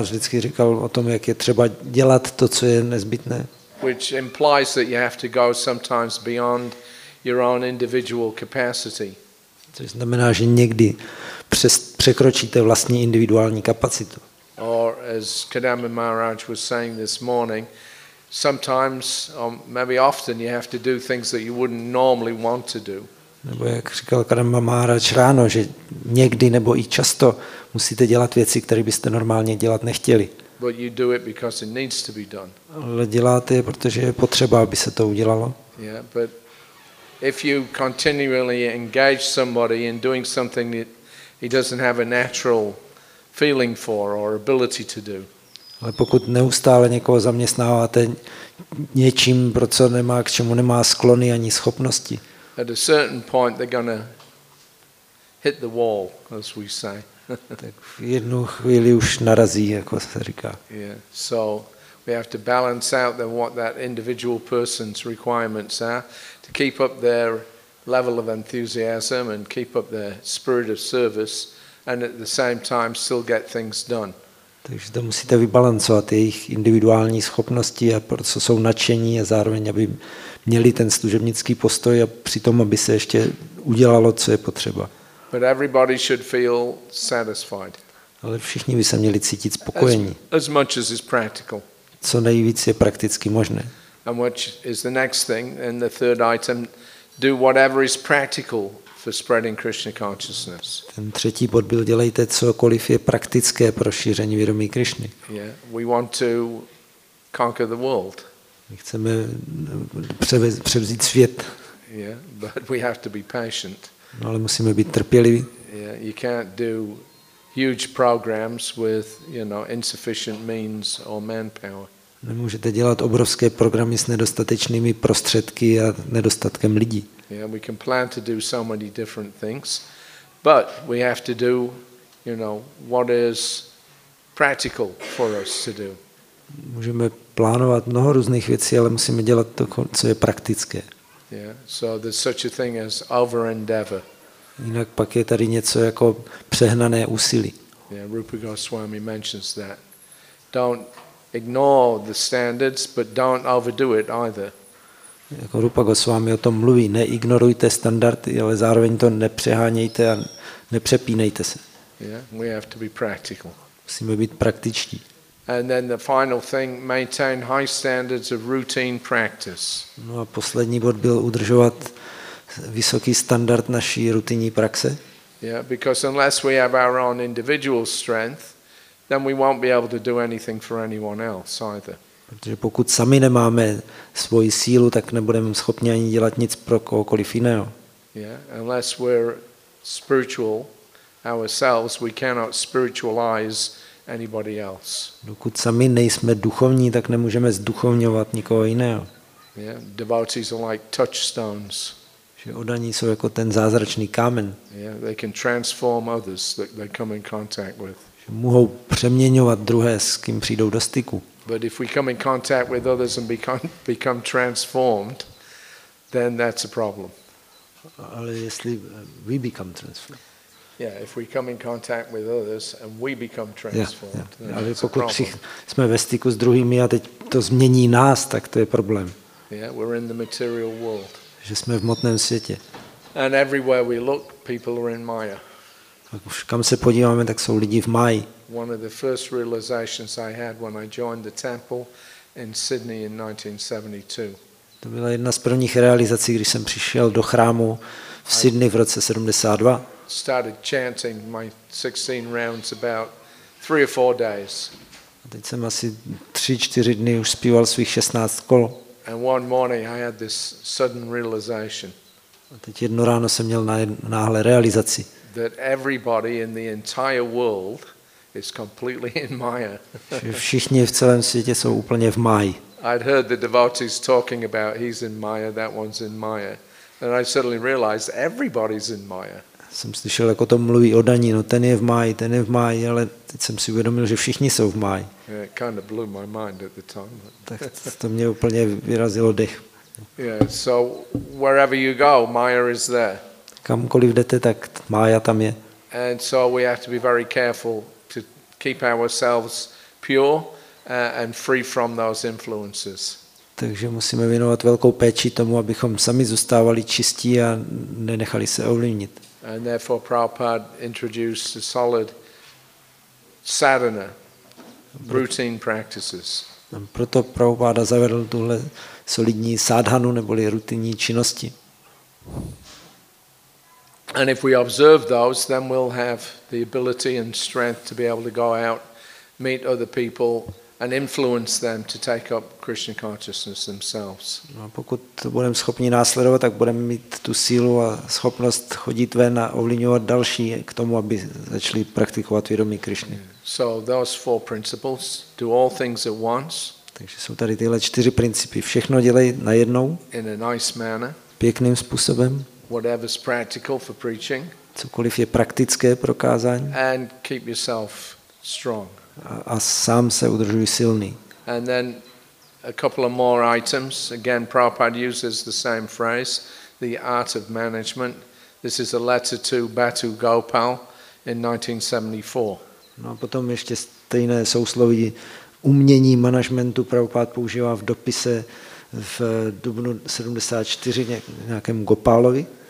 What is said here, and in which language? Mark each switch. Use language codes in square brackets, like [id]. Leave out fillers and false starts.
[cs] vždycky říkal o tom, jak je třeba dělat to, co je nezbytné. [en] Which implies that you have to go sometimes beyond your own individual capacity. [cs] To znamená, že někdy překročíte vlastní individuální kapacitu. [en] Or as Kadambi Maharaj was saying this morning, sometimes, or maybe often, you have to do things that you wouldn't normally want to do. [cs] Nebo jak říkal Kadambi Maharaj ráno, že někdy nebo i často musíte dělat věci, které byste normálně dělat nechtěli. [en] But you do it because it needs to be done. [cs] Ale děláte je, protože je potřeba, aby se to udělalo. [en] Yeah, but if you continually engage somebody in doing something that he doesn't have a natural feeling for or ability to do. [cs] Ale pokud neustále někoho zaměstnáváte něčím, pro co nemá, k čemu nemá sklony ani schopnosti. [en] At a certain point they're gonna hit the wall, as we say. [cs] Tak v jednu chvíli už narazí, jako se říká. [en] Yeah. So we have to balance out then what that individual person's requirements are to keep up their level of enthusiasm and keep up their spirit of service and at the same time still get things done. [cs] Takže to musíte vybalancovat jejich individuální schopnosti a pro co jsou nadšení a zároveň, aby měli ten služebnický postoj a přitom, aby se ještě udělalo, co je potřeba. [en] But everybody should feel satisfied. [cs] Ale všichni by se měli cítit spokojení. [en] As much as is practical. [cs] Co nejvíc je prakticky možné. [en] And which is the next thing, and the third item, do whatever is practical for spreading Krishna consciousness. [cs] Ten třetí bod byl dělejte cokoliv je praktické pro šíření vědomí Krišny. [en] Yeah, we want to conquer the world. [cs] My chceme převzít svět. [en] Yeah, but we have to be patient. [cs] No, ale musíme být trpěliví. [en] Yeah, you can't do huge programs with, you know, insufficient means or manpower. [cs] Nemůžete dělat obrovské programy s nedostatečnými prostředky a nedostatkem lidí. [en] Yeah, we can plan to do so many different things, but we have to do, you know, what is practical for us to do. [cs] Můžeme plánovat mnoho různých věcí, ale musíme dělat to, co je praktické. [en] Yeah, so there's such a thing as over-endeavor. [cs] Jinak pak je tady něco jako přehnané úsilí. [en] Yeah, Rupa Goswami mentions that. Don't ignore the standards, but don't overdo it either. [cs] Jako Rupa Goswami o tom mluví, neignorujte standardy, ale zároveň to nepřehánějte a nepřepínejte se. [en] Yeah, we have to be practical. [cs] Musíme být praktičtí. [en] And then the final thing, maintain high standards of routine practice. [cs] No a poslední bod byl udržovat vysoký standard naší rutinní praxe. [en] Yeah, because unless we have our own individual strength, then we won't be able to do anything for anyone else either. [cs] Protože pokud sami nemáme svoji sílu, tak nebudeme schopni ani dělat nic pro kohokoliv jiného. [en] Yeah, unless we're spiritual ourselves, we cannot spiritualize anybody else. [cs] Dokud sami nejsme duchovní, tak nemůžeme zduchovňovat nikoho jiného. [en] Yeah, devotees are like touchstones. [cs] Že oddaní jsou jako ten zázračný kámen. [en] Yeah, they can transform others that they come in contact with. [cs] Že mohou přeměňovat druhé, s kým přijdou do styku. [en] But if we come in contact with others and become transformed, then that's a problem. [cs] Ale jestli [en] we become transformed. Yeah, if we come in contact with others and we become transformed. Yeah. [cs] Ale pokud jsme ve styku s druhými a teď to změní nás, tak to je problém. [en] Yeah, we're in the material world. [cs] Že jsme v hmotném světě. [en] And everywhere we look, people are in Maya. [cs] Tak už kam se podíváme, tak jsou lidi v Maji. [en] One of the first realizations I had when I joined the temple in Sydney in 1972. [cs] To byla jedna z prvních realizací, když jsem přišel do chrámu v Sydney v roce 72. [en] Started chanting my 16 rounds about 3 or 4 days. [cs] A teď jsem asi 3-4 dny už zpíval svých 16 kol. [en] And one morning I had this sudden realization. [cs] A teď jedno ráno jsem měl náhle realizaci. [en] That everybody in the entire world is completely in Maya. [cs] Všichni v celém světě jsou úplně v Maji. [en] I'd heard the devotees talking about he's in Maya, that one's in Maya. And I suddenly realized everybody's in Maya. [cs] Jsem slyšel, jak o tom mluví o Daní, no ten je v Maji, ale teď jsem si uvědomil, že všichni jsou v Maji. [en] Yeah, it kind of blew my mind at the time. [cs] Tak to mě úplně vyrazilo dech. [en] Yeah, so wherever you go, Maya is there. [cs] Kamkoliv jdete, tak Maya tam je. [en] And so we have to be very careful to keep ourselves pure and free from those influences. [cs] Takže musíme věnovat velkou péči tomu, abychom sami zůstávali čistí a nenechali se ovlivnit. [en] And therefore Prabhupada introduced a solid sadhana, routine practices. [cs] Proto Prabhupada zavedl tuhle solidní sadhanu neboli rutinní činnosti. [en] And if we observe those, then we'll have the ability and strength to be able to go out, meet other people and influence them to take up Krishna consciousness themselves. [cs] No, pokud budeme schopni následovat, tak budeme mít tu sílu a schopnost chodit ven a ovlivňovat další k tomu, aby začali praktikovat vědomí Krišny. [en] So those four principles, do all things at once. [cs] Takže jsou tady tyhle čtyři principy. Všechno dělej najednou. [en] In a nice manner. [cs] Pěkným způsobem. [en] Whatever's practical for preaching. [cs] Cokoliv je praktické pro kázání. [en] And keep yourself strong. [cs] A sám se udržuj silný. [en] And then a couple of more items. Again, Prabhupada uses the same phrase, the art of management. This is a letter to Batu Gopal in 1974. [cs] No a potom ještě stejné sousloví umění managementu Prabhupada používá v dopise v dubnu 74 nějakému Gopalovi.